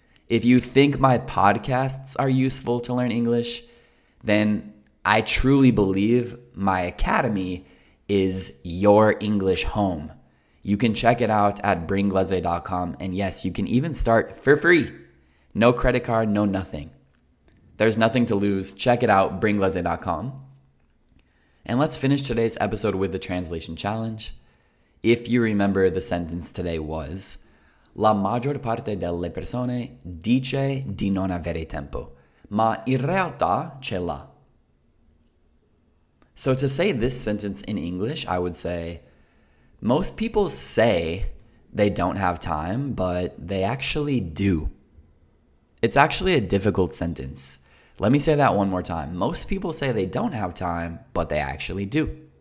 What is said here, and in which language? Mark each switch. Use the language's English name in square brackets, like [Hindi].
[English] If you think my podcasts are useful to learn English, then I truly believe my academy is your English home. You can check it out at bringlese.com. And yes, you can even start for free. No credit card, no nothing. There's nothing to lose. Check it out, bringlese.com. And let's finish today's episode with the translation challenge. If you remember, the sentence today was, [Italian] la maggior parte delle persone dice di non avere tempo, ma in realtà ce l'ha. [English] So to say this sentence in English, I would say, most people say they don't have time, but they actually do. It's actually a difficult sentence. Let me say that one more time. Most people say they don't have time, but they actually do.